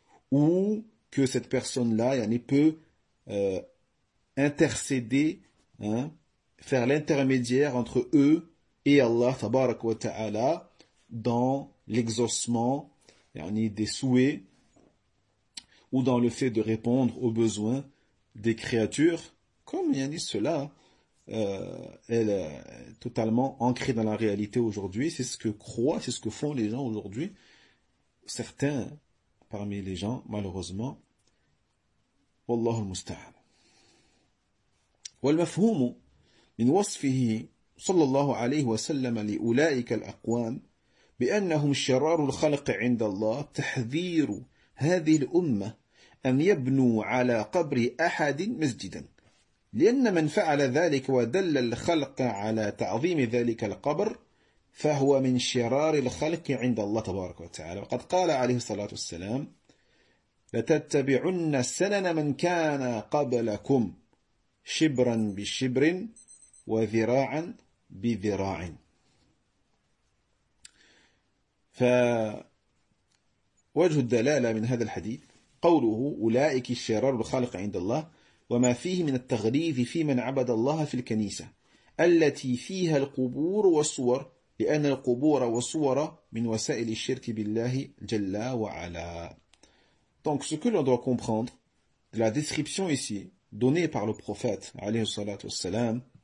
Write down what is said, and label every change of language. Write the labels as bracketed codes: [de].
[fr] Ou que cette personne-là, peut intercéder, faire l'intermédiaire entre eux et Allah, tabarak wa ta'ala, dans l'exaucement, des souhaits, ou dans le fait de répondre aux besoins des créatures, comme cela elle est totalement ancrée dans la réalité aujourd'hui. C'est ce que croient, c'est ce que font les gens aujourd'hui. Certains parmi les gens, malheureusement. [ar] Wallahu al-musta'an. والمفهوم من وصفه صلى الله عليه وسلم لأولئك الأقوام بأنهم شرار الخلق عند الله تحذير هذه الأمة أن يبنوا على قبر أحد مسجدا لأن من فعل ذلك ودل الخلق على تعظيم ذلك القبر فهو من شرار الخلق عند الله تبارك وتعالى وقد قال عليه الصلاة والسلام لتتبعن سنن من كان قبلكم شبرا بشبر وذراعا بذراع فوجه الدلالة من هذا الحديث قوله أولئك الشرار الخلق عند الله وما فيه من التغليظ في من عبد الله في الكنيسة التي فيها القبور والصور لأن القبور والصور من وسائل الشرك بالله جل وعلا. [fr] Donc ce que l'on doit comprendre de la description ici donnée par le prophète [ar] عليه الصلاة والسلام